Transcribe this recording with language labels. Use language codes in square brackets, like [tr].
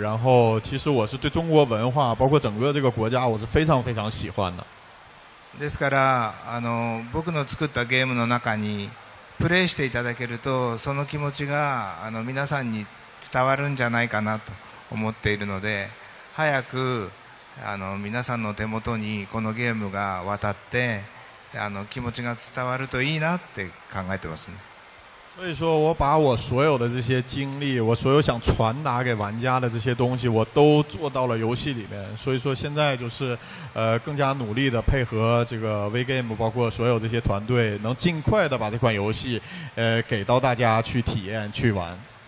[zh] 然后其实我是对中国文化，包括整个这个国家，我是非常非常喜欢的。 [ja] ですからあの僕の作ったゲームの中に。プレイしていただけるとその気持ちがあの皆さんに伝わるんじゃないかなと思っているので、早くあの皆さんの手元にこのゲームが渡ってあの気持ちが伝わるといいなって考えてますね。 [zh] 所以说我把我所有的这些经历，我所有想传达给玩家的这些东西，我都做到了游戏里面。所以说现在就是，更加努力的配合这个 WeGame， 包括所有这些团队，能尽快的把这款游戏，给到大家去体验去玩。